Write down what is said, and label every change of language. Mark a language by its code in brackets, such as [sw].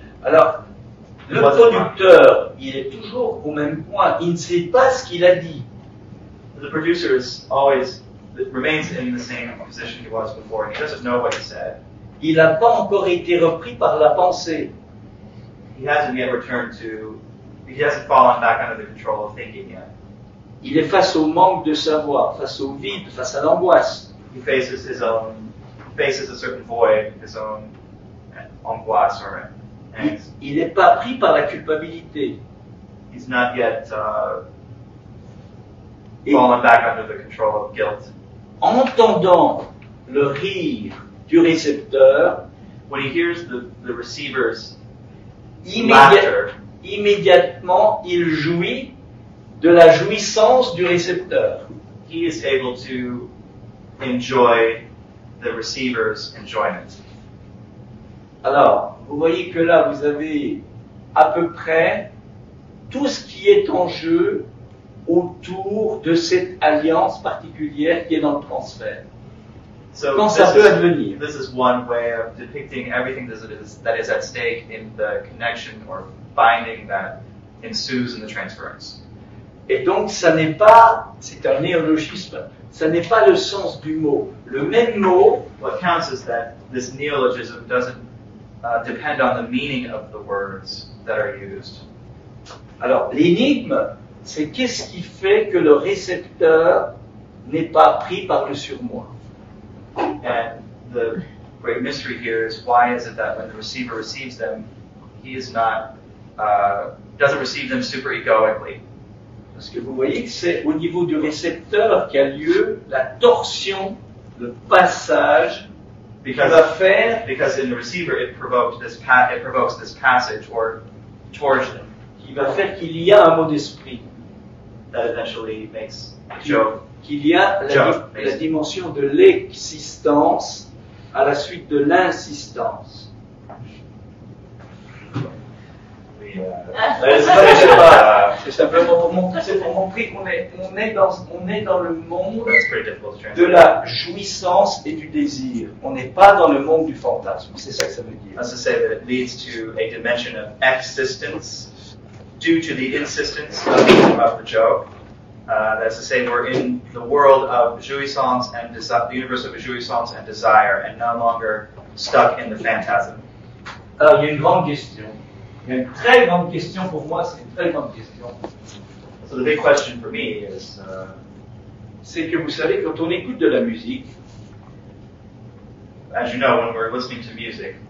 [fr] Alors, le producteur, il est toujours au même point. Il ne sait pas ce qu'il a dit. [en] The producer is always remains in the same position he was before. He doesn't know what he said. [fr] Il n'a pas encore été repris par la pensée. [en] He hasn't yet returned to. He hasn't fallen back under the control of thinking yet. [fr] Il est face au manque de savoir, face au vide, face à l'angoisse. [en] He faces his own. Faces a certain void. His own. Angoisse, or angst. [fr] Il n'est pas pris par la culpabilité. [en] He's not yet fallen back under the control of guilt. [fr] En entendant le rire du récepteur, [en] when he hears the receiver's laughter, [fr] immédiatement il jouit de la jouissance du récepteur. [en] He is able to enjoy the receiver's enjoyment. [fr] Alors, vous voyez que là, vous avez à peu près tout ce qui est en jeu autour de cette alliance particulière qui est dans le transfert. So quand ça peut advenir. [en] This is one way of depicting everything that is at stake in the connection or binding that ensues in the transference. [fr] Et donc, ça n'est pas, c'est un néologisme, ça n'est pas le sens du mot. Le même mot... [en] What counts is that this neologism doesn't depend on the meaning of the words that are used. [fr] Alors, l'énigme, c'est qu'est-ce qui fait que le récepteur n'est pas pris par le surmoi. [en] And the great mystery here is why is it that when the receiver receives them, he is not, doesn't receive them super egoically. [fr] Parce que vous voyez que c'est au niveau du récepteur qu'a lieu la torsion, le passage, [en] because, [fr] qui va faire... [en] Because in the receiver, it provokes this passage or torsion. [fr] Qui va faire qu'il y a un mot d'esprit. [en] That eventually makes Joe... [fr] Qu'il y a la dimension de l'existence à la suite de l'insistance. C'est simplement pour montrer, c'est pour montrer qu'on est dans le monde de la jouissance et du désir. On n'est pas dans le monde du fantasme. C'est ça que ça veut dire. [en] As I say, that it leads to a dimension of existence due to the insistence of the joke. That's to say, we're in the world of jouissance and the universe of jouissance and desire, and no longer stuck in the phantasm. [fr] Alors, il y a une grande question. Il y a une très grande question pour moi, c'est une très grande question. [en] So the big question for me is, [fr] c'est que vous savez, quand on écoute de la musique, [en] as you know, when we're listening to music,